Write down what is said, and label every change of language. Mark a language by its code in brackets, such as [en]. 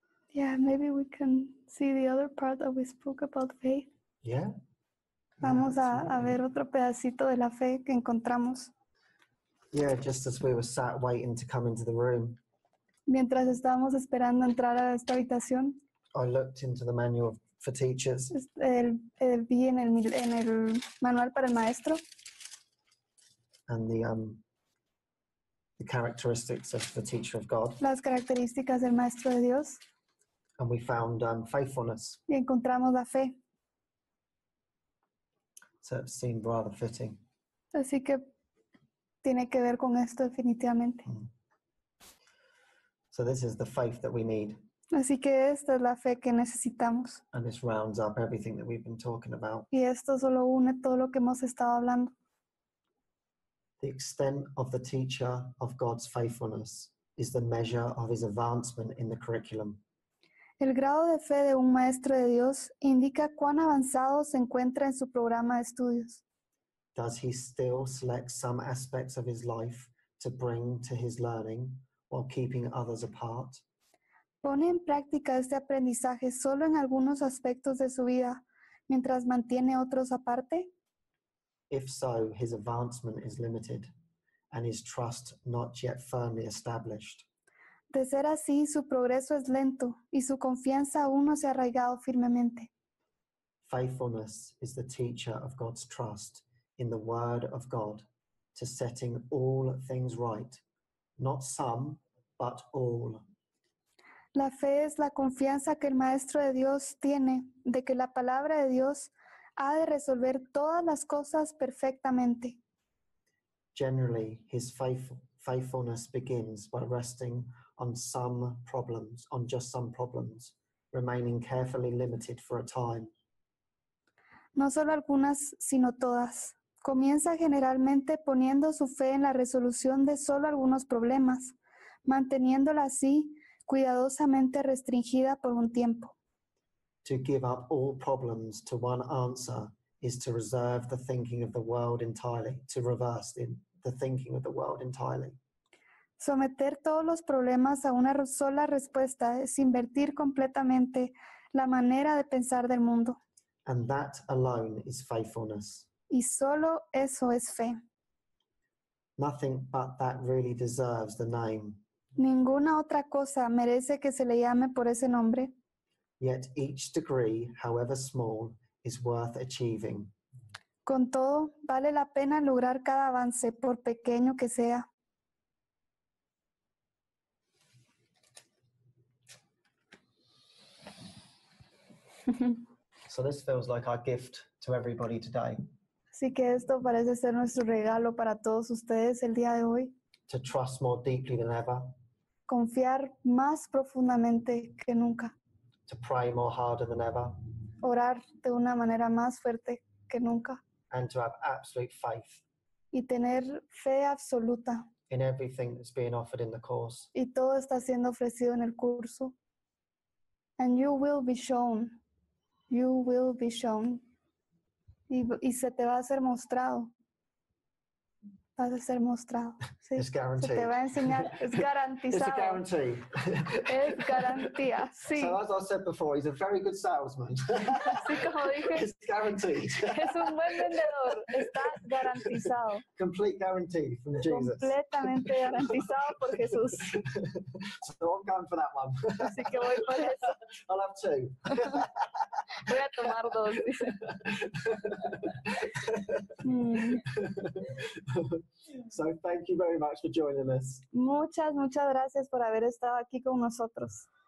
[en] Yeah, maybe we can see the other part that we spoke about faith. Yeah. [es] Vamos a ver otro pedacito de la fe que encontramos. [en] Yeah, just as we were sat waiting to come into the room. [es] Mientras estábamos esperando entrar a esta habitación. [en] I looked into the manual for teachers. [es] Vi en el manual para el maestro. [en] And the characteristics of the teacher of God. [es] Las características del maestro de Dios. [en] And we found faithfulness. [es] Y encontramos la fe. [en] So it seemed rather fitting. [es] Así que tiene que ver con esto definitivamente. [en] So this is the faith that we need. [es] Así que esta es la fe que necesitamos. [en] And this rounds up everything that we've been talking about. [es] Y esto solo une todo lo que hemos estado hablando. [en] The extent of the teacher of God's faithfulness is the measure of his advancement in the curriculum. [es] El grado de fe de un maestro de Dios indica cuán avanzado se encuentra en su programa de estudios. [en] Does he still select some aspects of his life to bring to his learning while keeping others apart? [es] ¿Pone en práctica este aprendizaje solo en algunos aspectos de su vida mientras mantiene otros aparte? [en] If so, his advancement is limited and his trust not yet firmly established. [es] De ser así, su progreso es lento y su confianza aún no se ha arraigado firmemente. [en] Faithfulness is the teacher of God's trust in the word of God to setting all things right, not some, but all. [es] La fe es la confianza que el maestro de Dios tiene de que la palabra de Dios ha de resolver todas las cosas perfectamente. [en] Generally, his faithfulness begins by resting on just some problems, remaining carefully limited for a time. [es] No solo algunas, sino todas. Comienza generalmente poniendo su fe en la resolución de solo algunos problemas, manteniéndola así cuidadosamente restringida por un tiempo. [en] To give up all problems to one answer is to reserve the thinking of the world entirely, to reverse the thinking of the world entirely. [es] Someter todos los problemas a una sola respuesta es invertir completamente la manera de pensar del mundo. [en] And that alone is faithfulness. [es] Y solo eso es fe. [en] Nothing but that really deserves the name. [es] Ninguna otra cosa merece que se le llame por ese nombre. [en] Yet each degree, however small, is worth achieving. [es] Con todo, vale la pena lograr cada avance, por pequeño que sea. [en] So this feels like our gift to everybody today. [es] Así que esto parece ser nuestro regalo para todos ustedes el día de hoy. [en] To trust more deeply than ever. [es] Confiar más profundamente que nunca. [en] To pray more harder than ever. [es] Orar de una manera más fuerte que nunca. [en] And to have absolute faith. [es] Y tener fe absoluta. [en] In everything that's being offered in the course. [es] Y todo está siendo ofrecido en el curso. [en] And you will be shown. You will be shown. [es] Y se te va a ser mostrado. Vas a ser mostrado. Sí. [en] It's guaranteed. [es] Se te va a enseñar. Es garantizado. [en] It's a guarantee. [es] Es garantía. Sí. [en] So as I said before, he's a very good salesman. [es] Sí, como dije. [en] It's guaranteed. [es] Es un buen vendedor. Está garantizado. [en] Complete guarantee from Jesus. [es] Completamente garantizado por Jesús. [en] So I'm going for that one. [es] Así que voy por eso. [en] I'll have two. [es] Voy a tomar dos. [en] So thank you very much for joining us. [es] Muchas, muchas gracias por haber estado aquí con nosotros.